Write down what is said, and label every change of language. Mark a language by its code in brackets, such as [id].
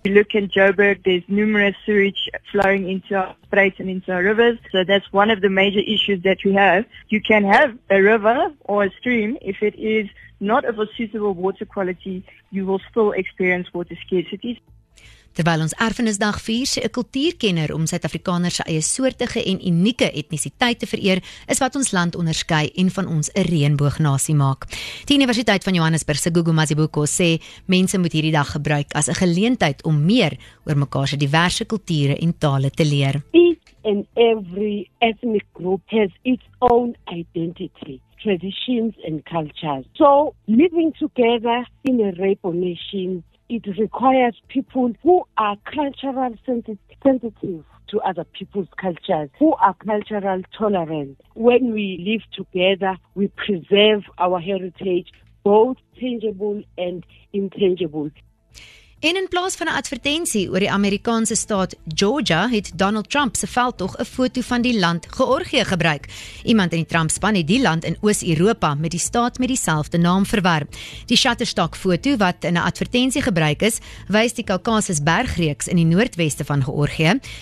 [en] Look in Joburg, there's numerous sewage flowing into our straits and into our rivers. So that's one of the major issues that we have. You can have a river or a stream. If it is not of a suitable water quality, you will still experience water scarcity. [af] Terwyl ons Erfenisdag vier, sê 'n kultuurkenner om Suid-Afrikaners se eie soortige en unieke etnisiteit te vereer, is wat ons land onderskei en van ons 'n reënboognasie maak. Die Universiteit van Johannesburg se Gugu Mazibuko sê, mense moet hierdie dag gebruik as 'n geleentheid om meer oor mekaar se diverse kulture en tale te leer. [en] Each and every ethnic group has its own identity, traditions and cultures. So, living together in a rainbow nation, it requires people who are culturally sensitive to other people's cultures, who are culturally tolerant. When we live together, we preserve our heritage, both tangible and intangible. [af] En in plaas van 'n advertensie oor die Amerikaanse staat Georgia, het Donald Trump se veldtog 'n foto van die land Georgië gebruik. Iemand in die Trump-span het die land in Oos-Europa met die staat met dieselfde naam verwerp. Die Shutterstock-foto wat in 'n advertensie gebruik is, wys die Kaukasus-bergreeks in die noordweste van Georgië.